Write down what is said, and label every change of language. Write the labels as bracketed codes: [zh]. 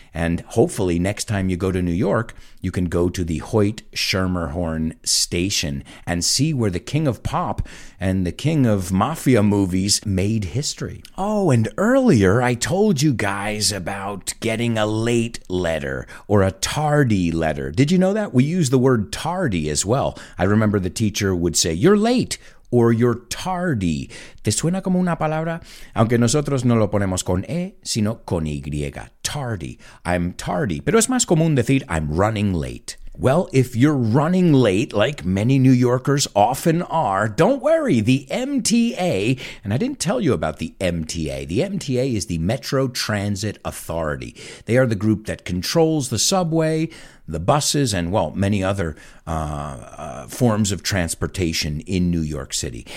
[en] And hopefully next time you go to New York, you can go to the Hoyt Schermerhorn station and see where the king of pop and the king of mafia movies made history. Oh, and earlier I told you guys about getting a late letter or a tardy letter. Did you know that? We use the word tardy as well. I remember the teacher would say, "You're late," or "you're tardy." [es] ¿Te suena como una palabra? Aunque nosotros no lo ponemos con E, sino con Y. [en] Tardy. I'm tardy. [es] Pero es más común decir, [en] "I'm running late." Well, if you're running late, like many New Yorkers often are, don't worry. The MTA, and I didn't tell you about the MTA. The MTA is the Metro Transit Authority. They are the group that controls the subway, the buses, and, well, many other forms of transportation in New York City.